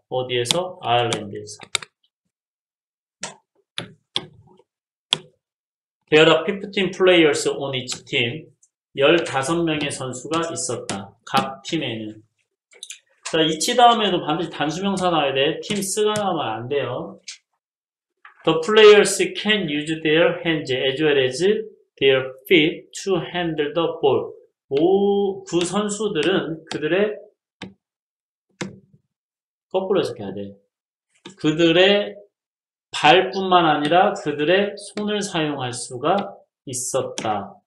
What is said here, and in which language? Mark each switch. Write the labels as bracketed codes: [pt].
[ko] 어디에서? 아일랜드에서. [en] There are 15 players on each team. [ko] 15명의 선수가 있었다. 각 팀에는. 자, 이치 다음에도 반드시 단수명사 나와야 돼. 팀 쓰가 나오면 안 돼요. [en] The players can use their hands as well as their feet to handle the ball. [ko] 그 선수들은 그들의 거꾸로 적어야 돼. 그들의 발뿐만 아니라 그들의 손을 사용할 수가 있었다.